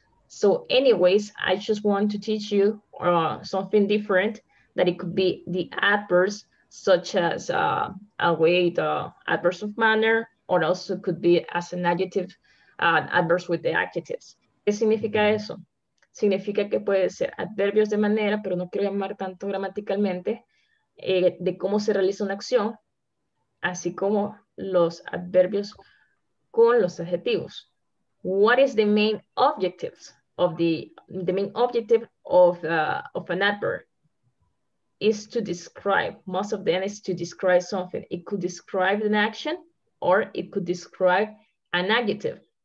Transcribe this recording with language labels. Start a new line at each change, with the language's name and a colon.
English: So anyways, I just want to teach you something different that it could be the adverbs such as await, adverbs of manner, or also could be as an adjective, adverbs with the adjectives.
Spanish: ¿Qué significa eso? Significa que puede ser adverbios de manera, pero no quiero llamar tanto gramaticalmente, de cómo se realiza una acción, así como los adverbios con los adjetivos.
English: What is the main objective of an adverb? Is to describe. Most of them is to describe something. It could describe an action or it could describe an adjective.